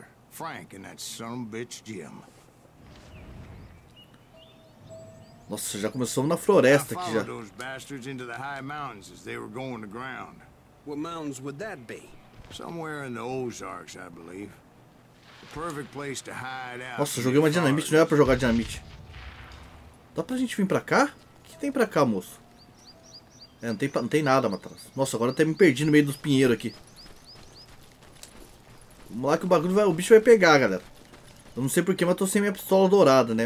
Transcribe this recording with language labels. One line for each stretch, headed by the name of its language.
English: Frank and that son of a bitch Jim.
Portuguese: Nossa, já começamos na floresta aqui já.
English: Those bastards into the high mountains as they were going to ground. What mountains would that be? Somewhere in the Ozarks, I believe. The perfect place to hide out.
Portuguese: Nossa, joguei uma dinamite, não era pra jogar dinamite. Dá pra gente vir pra cá? O que tem pra cá, moço? É, não tem nada, Matras. Nossa, agora até me perdi no meio dos pinheiros aqui. Vamos lá que o bicho vai pegar, galera. Eu não sei porquê, mas tô sem minha pistola dourada, né?